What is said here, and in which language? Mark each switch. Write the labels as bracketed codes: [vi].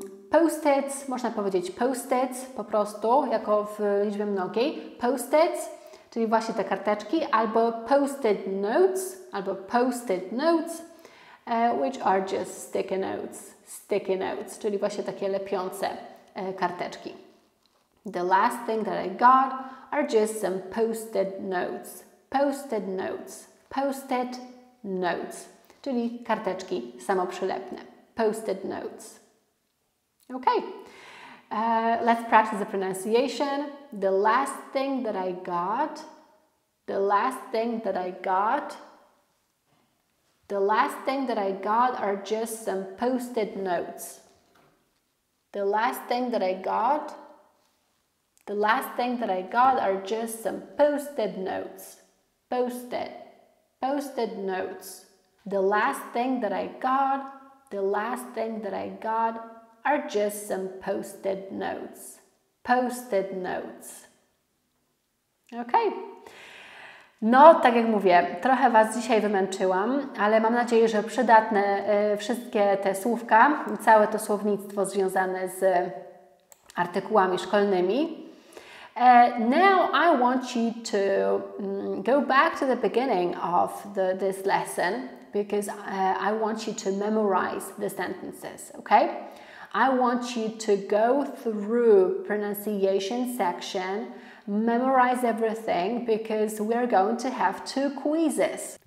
[pl] Post-its, można powiedzieć post-its po prostu, jako w liczbie mnogiej. [en] Post-its, [pl] czyli właśnie te karteczki, albo [en] post-it notes, albo post-it notes, which are just sticky notes. [pl] Sticky notes, czyli właśnie takie lepiące karteczki. [en] The last thing that I got are just some post-it notes. Post-it notes. [pl] Post-it notes, czyli karteczki samoprzylepne. [en] Post-it notes. Okay, let's practice the pronunciation. The last thing that I got. The last thing that I got. The last thing that I got are just some post-it notes. The last thing that I got. The last thing that I got are just some post-it notes. Post-it. Post-it notes. The last thing that I got, the last thing that I got are just some post-it notes. Post-it notes. Okay. [pl] No, tak jak mówię, trochę Was dzisiaj wymęczyłam, ale mam nadzieję, że przydatne wszystkie te słówka, całe to słownictwo związane z artykułami szkolnymi. [en] Now I want you to go back to the beginning of this lesson because I want you to memorize the sentences, okay? I want you to go through pronunciation section, memorize everything because we're going to have two quizzes.